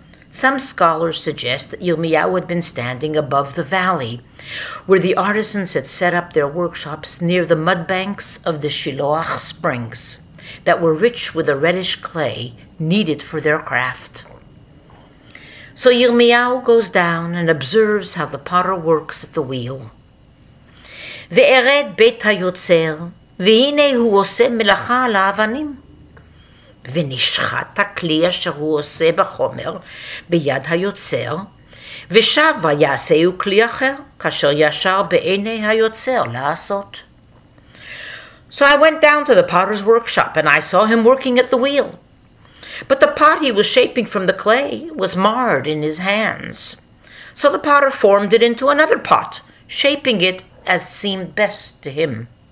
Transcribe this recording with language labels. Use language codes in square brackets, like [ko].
[en] Some scholars suggest that Yirmiyahu had been standing above the valley, where the artisans had set up their workshops near the mud banks of the Shiloach Springs, that were rich with a reddish clay needed for their craft. So Yirmiyahu goes down and observes how the potter works at the wheel. [he] Ve'ered beit ha-yotzer, והנה הוא עושה מלאכה על האבנים. ונשחט הכלי אשר הוא עושה בחומר ביד היוצר, ושווה יעשהו כלי אחר, כאשר ישר בעיני היוצר לעשות. [en] So I went down to the potter's workshop, and I saw him working at the wheel. But the pot he was shaping from the clay was marred in his hands. So the potter formed it into another pot, shaping it as seemed best to him.